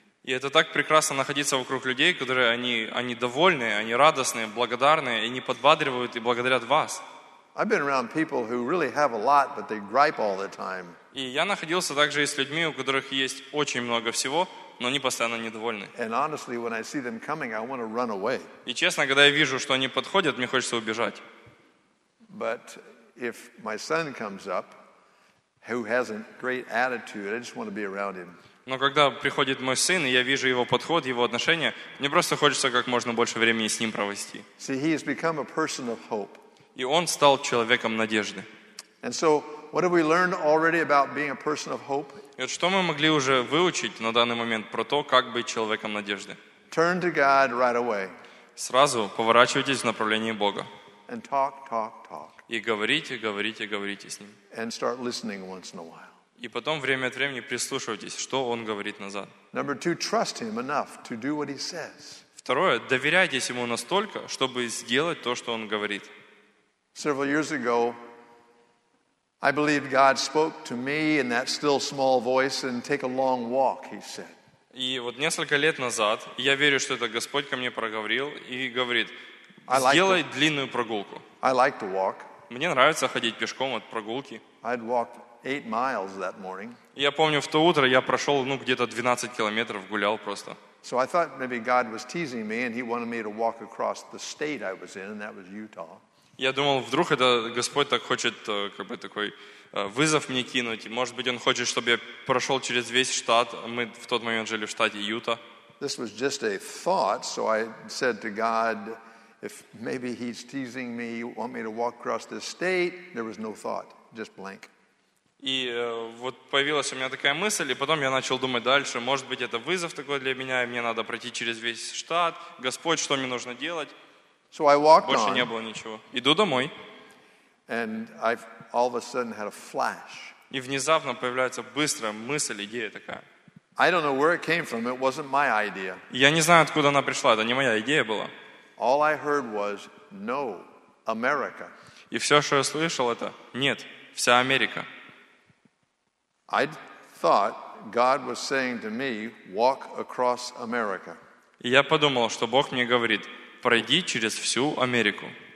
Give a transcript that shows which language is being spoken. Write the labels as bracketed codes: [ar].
[ru] И это так прекрасно находиться вокруг людей, которые они довольны, они радостные, благодарные, и они подбадривают и благодарят вас. [en] I've been around people who really have a lot, but they gripe all the time. [ru] И я находился также и с людьми, у которых есть очень много всего, но они постоянно недовольны. [en] And honestly, when I see them coming, I want to run away. [ru] И честно, когда я вижу, что они подходят, мне хочется убежать. [en] But if my son comes up, who has a great attitude, I just want to be around him. [ru] Но когда приходит мой сын, и я вижу его подход, его отношение, мне просто хочется как можно больше времени с ним провести. [en] See, he has become a person of hope. [ru] И он стал человеком надежды. [en] And so, what have we learned already about being a person of hope? [ru] И вот что мы могли уже выучить на данный момент про то, как быть человеком надежды? [en] Turn to God right away. [ru] Сразу поворачивайтесь в направлении Бога. [en] And talk, talk, talk. [ru] И говорите, говорите, говорите с ним. [en] And start listening once in a while. [ru] И потом время от времени прислушивайтесь, что он говорит назад. [en] Number two, trust him enough to do what he says. [ru] Второе, доверяйтесь ему настолько, чтобы сделать то, что он говорит. [en] Several years ago, I believe God spoke to me in that still small voice and take a long walk, he said. [ru] И вот несколько лет назад, я верю, что это Господь ко мне проговорил и говорит: сделай длинную прогулку. [en] I like to walk. [ru] Мне нравится ходить пешком от прогулки. [en] I'd walk 8 miles that morning. [ru] Я помню, в то утро я прошел, ну, где-то 12 километров, гулял просто. [en] So I thought maybe God was teasing me and he wanted me to walk across the state I was in, and that was Utah. [ru] Я думал, вдруг это Господь так хочет, как бы такой вызов мне кинуть. Может быть, он хочет, чтобы я прошел через весь штат. Мы в тот момент жили в штате Юта. [en] This was just a thought, so I said to God, if maybe he's teasing me, you want me to walk across the state. There was no thought, just blank. [ru] И вот появилась у меня такая мысль, и потом я начал думать дальше, может быть, это вызов такой для меня, и мне надо пройти через весь штат. Господь, что мне нужно делать? [en] So I walked [ru] Больше [en] on, [ru] не было ничего. Иду домой. [en] And I all of a sudden had a flash. [ru] И внезапно появляется быстрая мысль, идея такая. [en] I don't know where it came from. It wasn't my idea. [ru] Я не знаю, откуда она пришла. Это не моя идея была. [en] All I heard was no, America. [ru] И все, что я слышал, это нет, вся Америка. [en] I thought God was saying to me, walk across America. [ru] И я подумал, что Бог мне говорит, пройди через всю Америку.